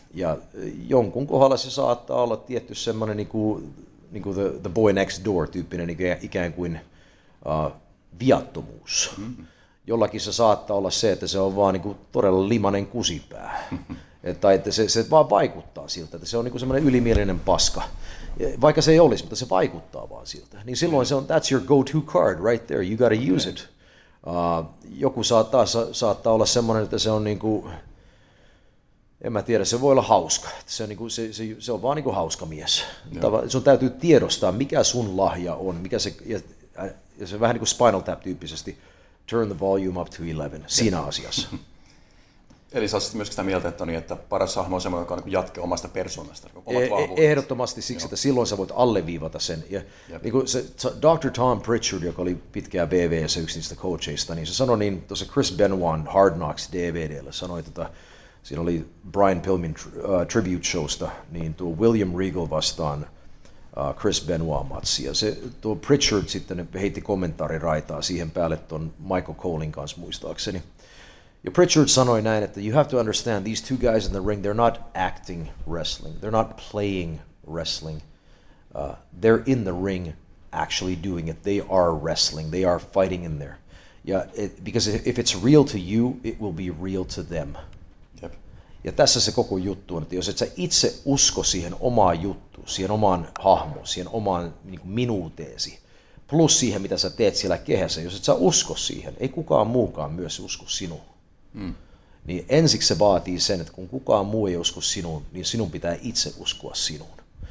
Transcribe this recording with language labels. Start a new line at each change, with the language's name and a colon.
Finnish: Ja jonkun kohdalla se saattaa olla tietty semmoinen niin kuin
English: the boy next door
Finnish: -tyyppinen niin ikään kuin viattomuus. Jollakin se saattaa olla se, että se on vaan niin kuin todella limanen kusipää. Tai että se vaan vaikuttaa siltä, että se on niin kuin semmoinen ylimielinen paska. Vaikka se ei olisi, mutta se vaikuttaa vaan siltä. Niin silloin se on,
English: that's your go-to card right there, you gotta use it.
Finnish: Joku saattaa olla semmoinen, että se on niin kuin, en mä tiedä, se voi olla hauska. Että se, on niin kuin, se on vaan niin kuin hauska mies. Sun täytyy tiedostaa, mikä sun lahja on, mikä se, ja se vähän niin kuin Spinal Tap-tyyppisesti,
English: turn the volume up to 11,
Finnish: siinä asiassa. Eli sä olisit myöskin sitä mieltä, että, niin, että paras hahmo on semmoinen, joka on jatke omasta persoonasta. Ehdottomasti siksi, että silloin sä voit alleviivata sen. Ja niin kuin se Dr. Tom Pritchard, joka oli pitkään VVS yksi niistä coacheista, niin se sanoi niin, tuossa Chris Benoit Hard Knocks DVD:llä sanoi, että siinä oli Brian Pillman Tribute Showsta, niin tuo William Regal vastaan Chris Benoit matsi. Ja se, tuo Pritchard sitten heitti kommentaariraitaa siihen päälle tuon Michael Colein kanssa muistaakseni. Ja Pritchard sanoi näin, että
English: you have to understand these two guys in the ring, they're not acting wrestling, they're not playing wrestling, they're in the ring actually doing it, they are wrestling, they are fighting in there.
Finnish: Ja
English: because if it's real to you, it will be real to them. Yep.
Finnish: Ja tässä se koko juttu on, että jos et sä itse usko siihen omaan juttuun, siihen omaan hahmoon, siihen omaan niin kuin minuuteesi, plus siihen mitä sä teet siellä kehässä, jos et sä usko siihen, ei kukaan muukaan myös usko sinuun. Niin ensiksi se vaatii sen, että kun kukaan muu ei usko sinuun, niin sinun pitää itse uskoa sinuun.